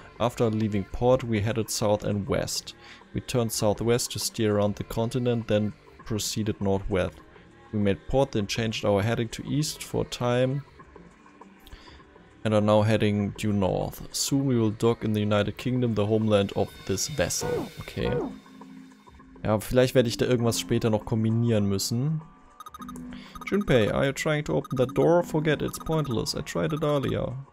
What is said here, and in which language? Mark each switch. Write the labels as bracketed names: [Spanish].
[English] After leaving port, we headed south and west. We turned southwest to steer around the continent, then proceeded northwest. We made port, then changed our heading to east for a time, and are now heading due north. Soon we will dock in the United Kingdom, the homeland of this vessel. Okay. [German] Ja, vielleicht werde ich da irgendwas später noch kombinieren müssen. [English] Junpei, are you trying to open that door? Forget it, it's pointless. I tried it earlier.